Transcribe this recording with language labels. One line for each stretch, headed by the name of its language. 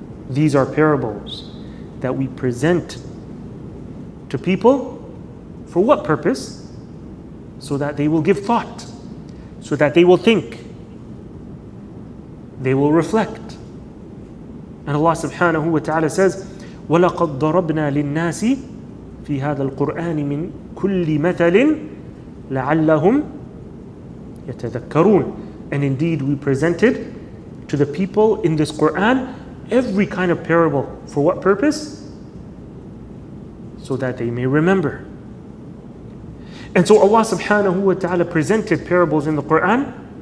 English: These are parables that we present to people. For what purpose? So that they will give thought, so that they will think, they will reflect. And Allah subhanahu wa ta'ala says,
Arabic: وَلَقَدْ ضَرَبْنَا لِلنَّاسِ فِي هَذَا الْقُرْآنِ مِنْ كُلِّ مَثَلٍ لَعَلَّهُمْ يَتَذَكَّرُونَ.
English: And indeed, we presented to the people in this Quran every kind of parable. For what purpose? So that they may remember. And so Allah subhanahu wa ta'ala presented parables in the Quran.